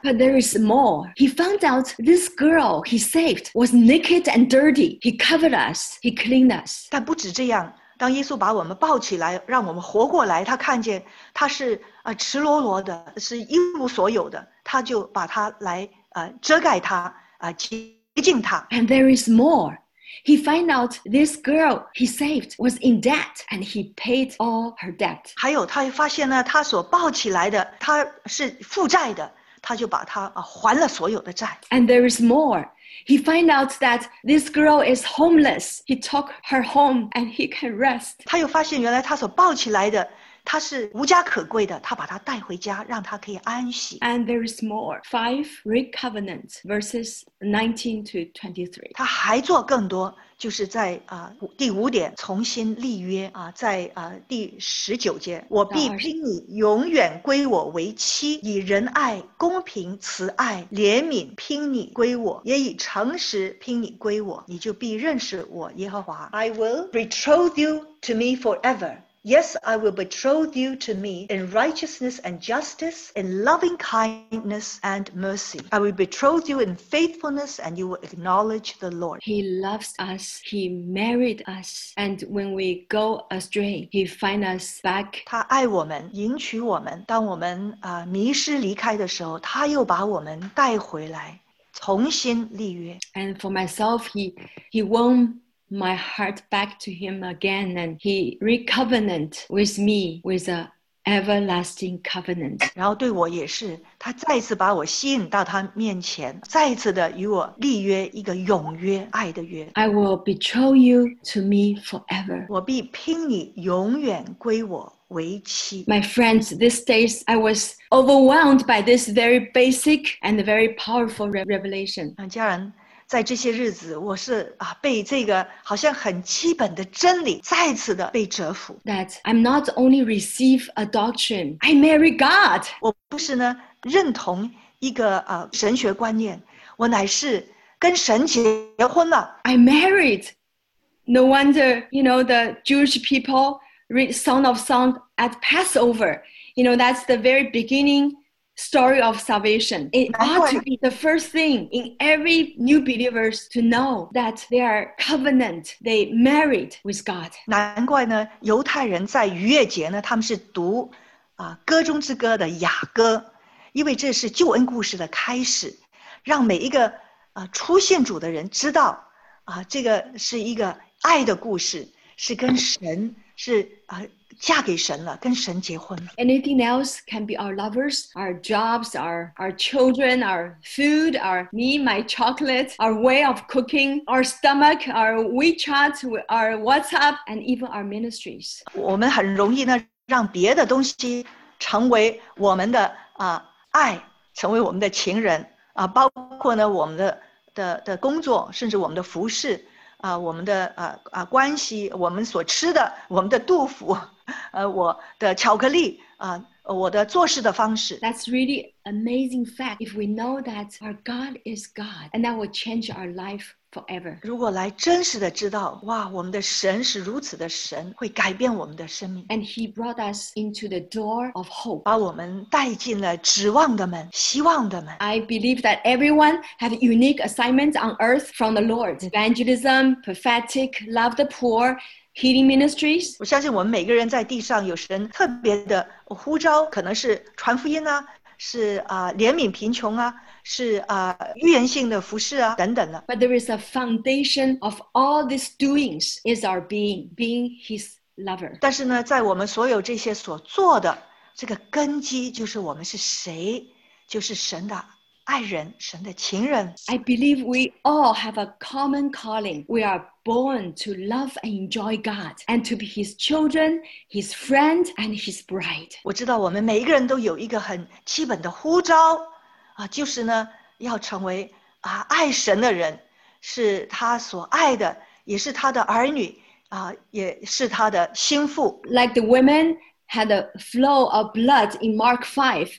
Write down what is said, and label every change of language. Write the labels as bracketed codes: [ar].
[en] But there is more. He found out this girl he saved was naked and dirty. He covered us. He cleaned us. [zh] 但不止这样。当耶稣把我们抱起来，让我们活过来，他看见他是赤裸裸的，是一无所有的，他就把他来遮盖他洁净他。 [en] And there is more. He find out this girl he saved was in debt, and he paid all her debt. [zh] 还有，他发现呢，他所抱起来的他是负债的，他就把他还了所有的债。 [en] And there is more. He find out that this girl is homeless. He took her home and he can rest. [zh] 他又发现原来他所抱起来的他是无家可归的，他把他带回家，让他可以安息。 [en] And there is more. Five great covenants, verses 19-23. [zh] 他还做更多，就是在第五点重新立约在第十九节，我必聘你永远归我为妻，以仁爱、公平、慈爱、怜悯聘你归我，也以诚实聘你归我，你就必认识我耶和华。 [en] I will betroth you to me forever. Yes, I will betroth you to me in righteousness and justice, in loving kindness and mercy. I will betroth you in faithfulness, and you will acknowledge the Lord. He loves us. He married us. And when we go astray, he finds us back. [zh] 他爱我们，迎娶我们。当我们迷失离开的时候，他又把我们带回来，重新立约。 [en] And for myself, he won't. My heart back to him again, and he recovenant with me with an everlasting covenant. [zh] 然后对我也是，他再一次把我吸引到他面前，再一次的与我立约一个永约爱的约。 [en] I will betroth you to me forever. [zh] 我必聘你永远归我。 [en] My friends, these days I was overwhelmed by this very basic and very powerful revelation. [zh] 家人在这些日子，我是被这个好像很基本的真理再次的被折服。 [en] That I'm not only receive a doctrine, I marry God. [zh] 我不是呢认同一个神学观念，我乃是跟神结婚了。 [en] I married. No wonder, you know, the Jewish people read Song of Songs at Passover. You know, that's the very beginning. Story of salvation. It ought to be the first thing in every new believers to know that they are covenant, they married with God. [zh] 难怪呢，犹太人在逾越节呢，他们是读歌中之歌的雅歌，因为这是救恩故事的开始，让每一个初信主的人知道这个是一个爱的故事，是跟神是嫁给神了，跟神结婚了。 [en] Anything else can be our lovers, our jobs, our children, our food, our me, my chocolate, our way of cooking, our stomach, our WeChat, our WhatsApp, and even our ministries. [zh] 我们很容易呢，让别的东西成为我们的爱，成为我们的情人包括呢我们的工作，甚至我们的服饰我们的关系，我们所吃的，我们的杜甫。我的巧克力我的做事的方式。 [en] That's really amazing fact. If we know that our God is God, and that will change our life forever. [zh] 如果来真实的知道，哇，我们的神是如此的神，会改变我们的生命。 [en] And He brought us into the door of hope. [zh] 把我们带进了指望的门，希望的门。 [en] I believe that everyone has unique assignments on earth from the Lord: evangelism, prophetic, love the poor. Healing ministries. [zh] 我相信我们每个人在地上有神特别的呼召，可能是传福音是怜悯贫穷是预言性的服事等等的。 [en] But there is a foundation of all these doings is our being His lover. [zh] 但是呢，在我们所有这些所做的这个根基，就是我们是谁，就是神的。爱人，神的情人。 [en] I believe we all have a common calling. We are born to love and enjoy God, and to be His children, His friend, and His bride. [zh] 我知道我们每一个人都有一个很基本的呼召就是呢，要成为爱神的人，是他所爱的，也是他的儿女也是他的心腹。 [en] Like the women had a flow of blood in Mark 5.